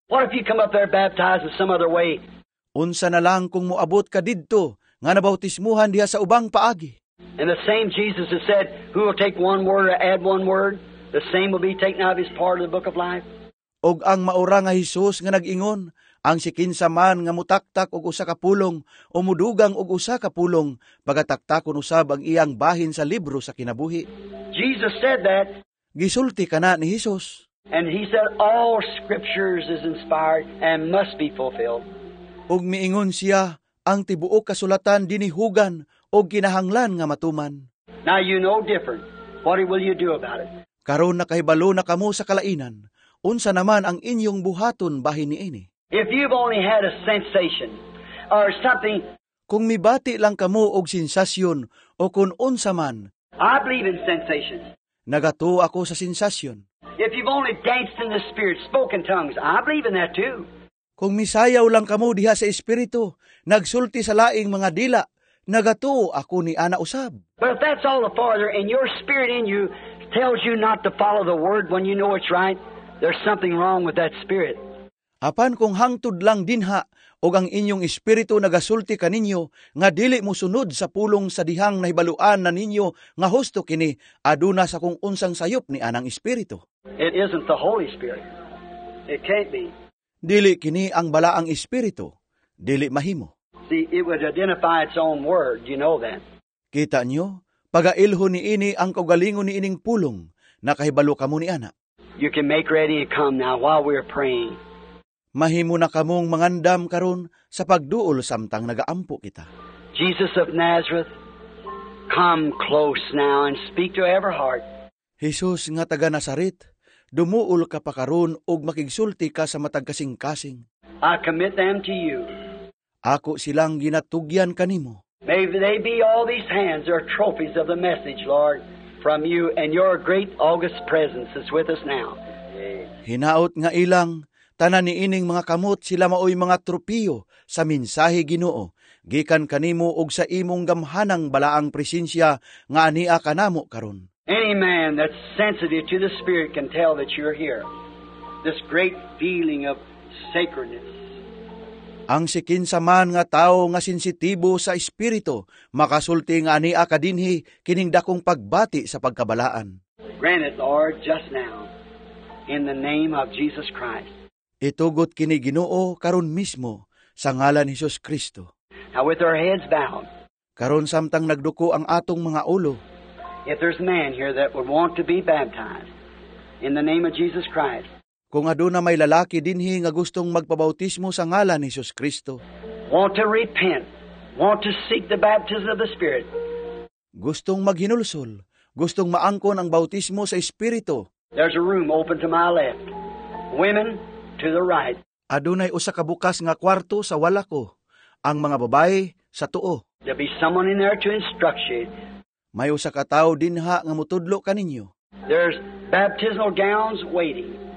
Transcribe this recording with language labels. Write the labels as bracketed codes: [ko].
[en] What if you come up there baptized in some other way? [ceb] Unsa na lang kung muabot ka didto nga nabautismuhan diha sa ubang paagi. [en] And the same Jesus has said, who will take one word or add one word, the same will be taken out of his part of the book of life. [ceb] Og ang maurang nga Hesus nga nag-ingon, ang si kinsa man nga mutaktak og usa ka pulong o mudugang og usa ka pulong, pagataktakon usab ang iyang bahin sa libro sa kinabuhi. [en] Jesus said that. [ceb] Gisulti kana ni Hesus. [en] And he said all scriptures is inspired and must be fulfilled. [ceb] Og miingon siya, ang tibuok kasulatan dinihugan og kinahanglan nga matuman. [en] Now you know different. What will you do about it? [ceb] Karon nakahibalo na kamo sa kalainan. Unsa naman ang inyong buhaton bahin niini? [en] If you've only had a sensation or something, [ceb] kung mibati lang kamo og sensasyon o kun unsa man, [en] I believe in sensations. [ceb] Nagatuo ako sa sensasyon. [en] If you've only danced in the spirit, spoken tongues, I believe in that too. [ceb] Kung misayaw lang kamo diha sa espiritu, nagsulti sa laing mga dila, nagatuo ako ni ana usab. [en] But if that's all the farther and your spirit in you tells you not to follow the word when you know it's right, there's something wrong with that spirit. [ceb] Apan kung hangtod lang dinha og ang inyong espiritu nagasulti kaninyo nga dili mo sunod sa pulong sa dihang nahibaluan na ninyo nga husto kini, aduna sa kung unsang sayop ni anang espiritu. [en] It isn't the Holy Spirit. It can't be. [ceb] Dili kini ang balaang espiritu. Dili mahimo. [en] See, it would identify its own word, you know that. [ceb] Kita nyo, pag-ailho ni ini ang kaugalingon ni ining pulong, nakahibalo kamo ni ana. [en] You can make ready to come now while we're praying. [ceb] Mahimo na kamong mangandam karon sa pagduol samtang nagaampo kita. [en] Jesus of Nazareth, come close now and speak to every heart. [ceb] Hesus nga taga Nazaret, dumuol ka pa karon ug makigsulti ka sa matag kasing-kasing. [en] I commit them to you. [ceb] Ako silang ginatugyan kanimo. [en] May they be all these hands or trophies of the message, Lord, from you, and your great August presence is with us now. [ceb] Hinaot nga ilang tanan ni ining mga kamot, sila maoy mga tropiyo sa mensahe Ginoo, gikan kanimo og sa imong gamhanang balaang presensya nga ania kanamo karon. [en] Any man that's sensitive to the Spirit can tell that you're here. This great feeling of sacredness. [ceb] Ang sikinsa man nga tao nga sensitibo sa Espiritu, makasulti nga niya kadinhi kining dakong pagbati sa pagkabalaan. [en] Granted, Lord, just now, in the name of Jesus Christ. [ceb] Itugot kini Ginoo karon mismo sa ngalan ni Jesus Kristo. [en] Now with our heads bowed. [ceb] Karon samtang nagduko ang atong mga ulo. [en] If there's man here that would want to be baptized in the name of Jesus Christ. [ceb] Kung aduna may lalaki dinhi nga gustong magpabautismo sa ngalan ni Jesus Kristo. [en] Want to repent. Want to seek the baptism of the Spirit. [ceb] Gustong maghinulsol. Gustong maangkon ang bautismo sa Espiritu. [en] There's a room open to my left. Women to the right. [ceb] Adunay usa ka bukas nga kwarto sa wala ko. Ang mga babaye sa tuo. [en] There'll be someone in there to instruct you. [ceb] May usa ka tawo dinha nga mutudlo kaninyo. [en] There's baptismal gowns waiting.